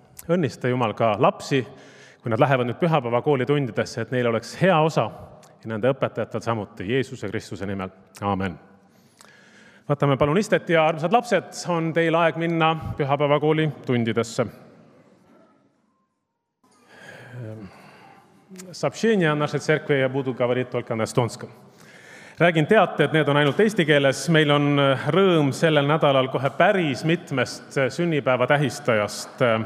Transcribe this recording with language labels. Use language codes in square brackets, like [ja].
[et] Õnnista Jumal ka lapsi, kui nad lähevad nüüd pühapäeva koolitundidesse, et neil oleks hea osa ja nende õpetajatel samuti Jeesuse Kristuse nimel. Aamen. Võtame palun istet ja armsad lapsed, on teil aeg minna pühapäeva kooli tundidesse. [ru] Сообщение нашей церкви я буду говорить только на эстонском. [et] Räägin teate, et need on ainult eesti keeles. Meil on rõõm sellel nädalal kohe päris mitmest sünnipäeva tähistajast.